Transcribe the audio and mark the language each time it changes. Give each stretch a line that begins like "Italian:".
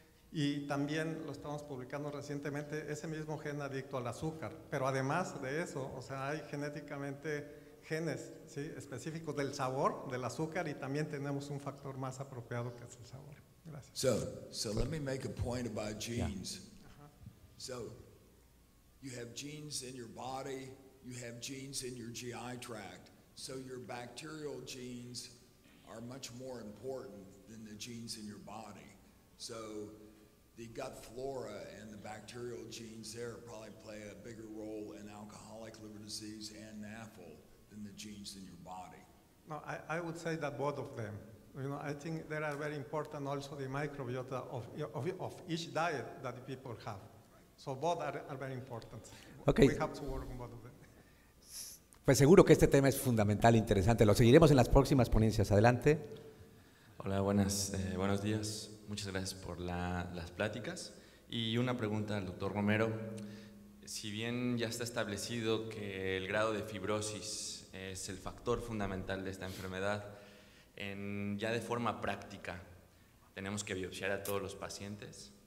Spanish: Y también lo estamos publicando recientemente, ese mismo gen adicto al azúcar. Pero además de eso, o sea, hay genéticamente genes, ¿sí?, específicos del sabor del azúcar, y también tenemos un factor más apropiado que es el sabor. Gracias.
English: So let me make a point about genes. Yeah. So you have genes in your body, you have genes in your GI tract. So your bacterial genes are much more important than the genes in your body. So the gut flora and the bacterial genes there probably play a bigger role in alcoholic liver disease and NAFL than the genes in your body. No, I would say that both of them. You know, I think they are very important, also the microbiota of each diet that the people have. So both are very important. Okay. We have to work on both of them.
Spanish: Pues seguro que este tema es fundamental e interesante. Lo seguiremos en las próximas ponencias. Adelante. Hola, buenos días. Muchas gracias por las pláticas. Y una pregunta al doctor Romero. Si bien ya está establecido que el grado de fibrosis es el factor fundamental de esta enfermedad, ya de forma práctica, ¿tenemos que biopsiar a todos los pacientes?